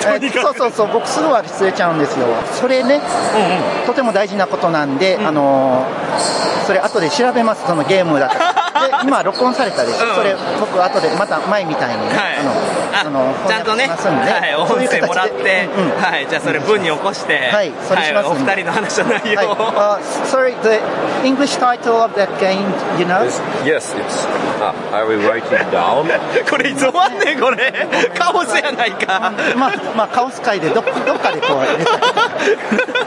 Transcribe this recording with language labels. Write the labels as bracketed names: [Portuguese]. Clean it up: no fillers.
[Japanese] そう僕すぐ忘れちゃうんですよ。それね、とても大事なことなんで、それ後で調べます、そのゲームだと。で今録音されたでしょ、それ僕後でまた前みたいに、はい、ちゃんとね、はい、音声もらって、うん、はい、じゃあそれ文に起こして、はい、それしますね、はい、お二人の話の内容を、 [English] はい、sorry, the English title of that game, you know? Yes, it's I will write it down. [Japanese] これいつ終わんねん、これカオスやないか。まあカオス界でどっかでこうい